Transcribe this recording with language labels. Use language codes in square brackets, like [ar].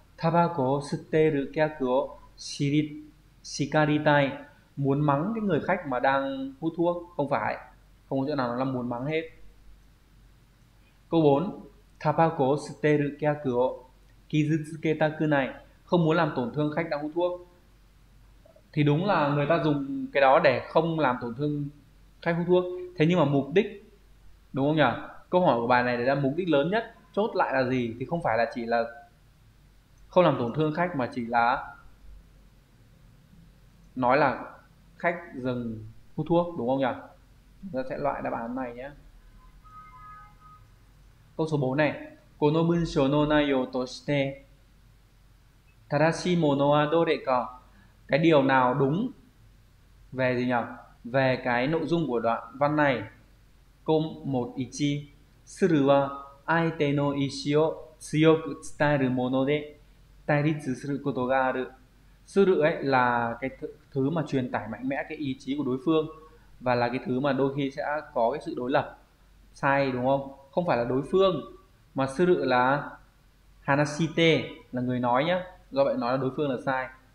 [ja] タバコを吸ってる客を叱りたい。 [vi] Muốn mắng cái người khách mà đang hút thuốc. Không phải. Không có chỗ nào là muốn mắng hết. Câu 4. [ja] タバコを吸ってる客を傷つけたくない。 [vi] Không muốn làm tổn thương khách đang hút thuốc. thì đúng là người ta dùng cái đó để không làm tổn thương khách hút thuốc. Thế nhưng mà mục đích, đúng không nhỉ, câu hỏi của bà này là mục đích lớn nhất chốt lại là gì, thì không phải là chỉ là không làm tổn thương khách mà chỉ là nói là khách dừng hút thuốc, đúng không nhỉ? Chúng ta sẽ loại đáp án này nhé. Câu số 4 này. [ja] この文章の内容として正しいものはどれか。 [vi] Cái điều nào đúng về gì nhỉ? Về cái nội dung của đoạn văn này. Câu 1 1. [ja] するは相手の意思を強く伝えるもので対立することがある。 [vi] するấy là cái thứ mà truyền tải mạnh mẽ cái ý chí của đối phương, và là cái thứ mà đôi khi sẽ có cái sự đối lập sai, đúng không? Không phải là đối phương, mà suru là hanashite, là người nói nhé, do vậy nói là đối phương là sai.